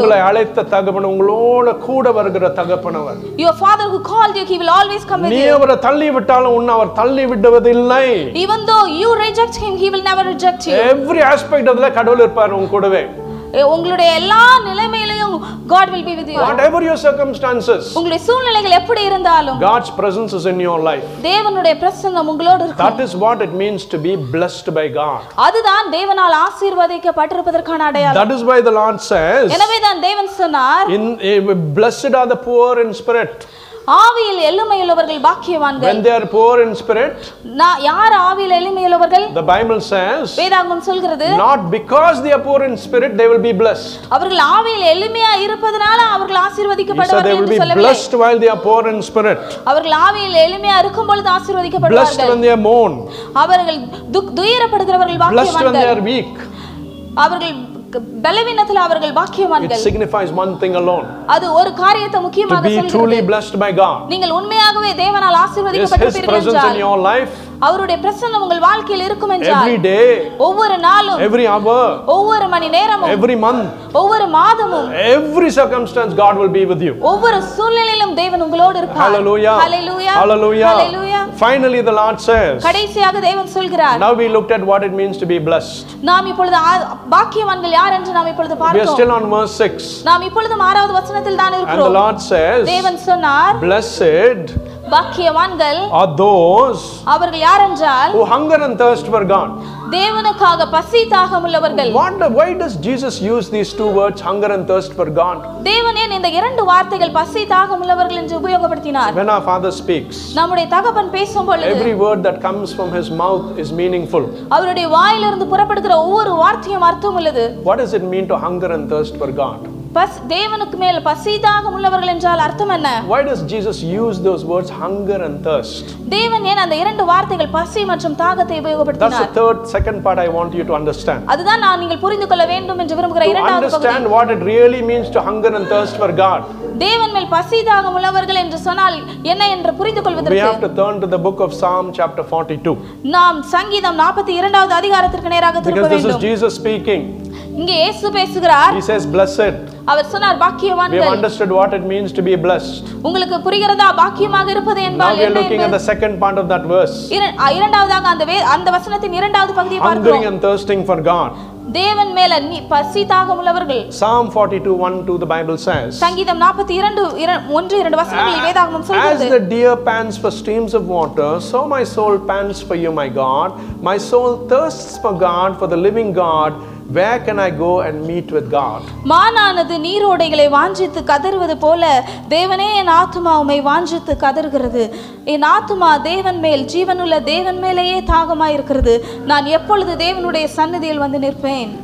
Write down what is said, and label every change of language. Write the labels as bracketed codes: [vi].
[ta] உங்களை அழைத்த தகப்பன் உங்களோட கூட வருகிற தகப்பனவர். [en] Your father who called you, he will always come with you. [ta] நீ அவரை தள்ளி விட்டாலும் உன்னை அவர் தள்ளி விடுவதில்லை. [en] Even though you reject him, he will never reject you. Every aspect of the [ta] கடவுள் இருப்பார் உன் கூடவே. உங்களுடைய எல்லா நிலைமையிலும் [en] God will be with you. Whatever your circumstances. [ta] உங்களுடைய சூழ்நிலைகள் எப்படி இருந்தாலும் [en] God's presence is in your life. [ta] தேவனுடைய பிரசன்னம் உங்களோடு இருக்கும். [en] That is what it means to be blessed by God. [ta] அதுதான் தேவனால் ஆசீர்வதிக்கப்பட்டிருப்பதற்கான அடையாளம். [en] That is why the Lord says. [ta] எனவே தான் தேவன் சொன்னார் [en] In blessed are the poor in spirit. [ta] ஆவியில் எளிமையுள்ளவர்கள் பாக்கியவான்கள் [en] When they are poor in spirit [ta] யார் ஆவியில் எளிமையுள்ளவர்கள் [en] The Bible says [ta] வேதாகமம் சொல்கிறது [en] Not because they are poor in spirit they will be blessed [ta] அவர்கள் ஆவியில் எளிமையா இருப்பதனால அவர்கள் ஆசீர்வதிக்கப்படுவார்கள் என்று சொல்லவில்லை [en] They will be blessed while they are poor in spirit [ta] அவர்கள் ஆவியில் எளிமையா இருக்கும் பொழுது ஆசீர்வதிக்கப்படுவார்கள் [en] Blessed when they are mourn [ta] அவர்கள் துயரப்படுகிறவர்கள் பாக்கியவான்கள் [en] Blessed when they are weak [ta] அவர்கள் பலவீனத்தில் அவர்கள் பாக்கியவான்கள் [en] It signifies one thing alone [ta] அது ஒரு காரியத்தை முக்கியமாக சொல்கிறது [en] To be truly blessed by God [ta] நீங்கள் உண்மையாகவே தேவனால் ஆசீர்வதிக்கப்பட்டிருப்பீர்கள் [en] His presence in your life [ta] அவருடைய பிரசன்னம் உங்கள் வாழ்க்கையில் இருக்கும் என்றால் [en] Every day [ta] ஒவ்வொரு நாளும் [en] Every hour [ta] ஒவ்வொரு மணி நேரமும் [en] Every month [ta] ஒவ்வொரு மாதமும் [en] Every circumstance God will be with you [ta] ஒவ்வொரு சூழ்நிலையிலும் தேவன் உங்களோடு இருப்பார் [en] Hallelujah Hallelujah Hallelujah Hallelujah Finally the Lord says [ta] கடைசியாக தேவன் சொல்கிறார் [en] Now we looked at what it means to be blessed [ta] நாம் இப்பொழுது பாக்கியவான்கள் யார் என்று நாம் இப்பொழுது பார்த்தோம் [en] We are still on verse 6 [ta] நாம் இப்பொழுது 6வது வசனத்தில் தான் இருக்கிறோம் [en] And the Lord says [ta] தேவன் சொன்னார் [en] Blessed [ta] பாக்கியவான்கள் [en] are those [ta] அவர்கள் யார் என்றால் [en] who hunger and thirst for God [ta] தேவனுக்காக பசி தாகம் உள்ளவர்கள் [en] wonder why does Jesus use these two words hunger and thirst for God [ta] தேவனே இந்த இரண்டு வார்த்தைகள் பசி தாகம் உள்ளவர்கள் என்று உபயோகப்படுத்தினார் [en] when our father speaks [ta] நம்முடைய தகப்பன் பேசும்பொழுது [en] every word that comes from his mouth is meaningful [ta] அவருடைய வாயிலிருந்து புறப்படுகிற ஒவ்வொரு வார்த்தையும் அர்த்தமுள்ளது [en] what does it mean to hunger and thirst for God [ta] தேவனுக்கு மேல் பசி தாகம் உள்ளவர்கள் என்றால் அர்த்தம் என்ன [en] Why does Jesus use those words hunger and thirst [ta] தேவன் ஏன் அந்த இரண்டு வார்த்தைகள் பசி மற்றும் தாகத்தை உபயோகப்படுத்தினார் [en] That's the third second part I want you to understand [ta] அதுதான் நான் நீங்கள் புரிந்துகொள்ள வேண்டும் என்று விரும்புகிற இரண்டாவது பகுதி [en] Understand what it really means to hunger and thirst for God [ta] தேவன் மேல் பசி தாகம் உள்ளவர்கள் என்று சொன்னால் என்ன என்று புரிந்துகொள்வதற்கு [en] We have to turn to the book of Psalm chapter 42 [ta] நாம் சங்கீதம் 42வது அதிகாரத்திற்கு நேராக திரும்ப வேண்டும் [en] Because this is Jesus speaking [ta] இங்கே இயேசு பேசுகிறார் [en] He says blessed [ta] அவர் சொன்னார் பாக்கியவான்கள் [en] We have understood what it means to be blessed [ta] உங்களுக்கு புரிகிறதா பாக்கியமாக இருப்பது என்றால் [en] Now we are looking at the second part of that verse [ta] இரண்டாவதாக அந்த வசனத்தின் இரண்டாவது பகுதியை பார்க்கிறோம் [en] Hungering and thirsting for God [ta] தேவன் மேல் பசி தாகம் உள்ளவர்கள் [en] Psalm 42:1-2 the Bible says [ta] சங்கீதம் 42:1-2 வசனங்களில் வேதாகமம் சொல்கிறது [en] As the deer pants for streams of water so my soul pants for you my God my soul thirsts for God for the living God Where can I go and meet with God? [ta] மானானது நீரோடைகளை வாஞ்சித்து கதறுவது போல தேவனே என் ஆத்துமா உமை வாஞ்சித்து கதறுகிறது என் ஆத்துமா தேவன் மேல் ஜீவனுள்ள தேவன் மேலேயே தாகமாயிருக்கிறது நான் எப்பொழுது தேவனுடைய சன்னதியில் வந்து நிற்பேன்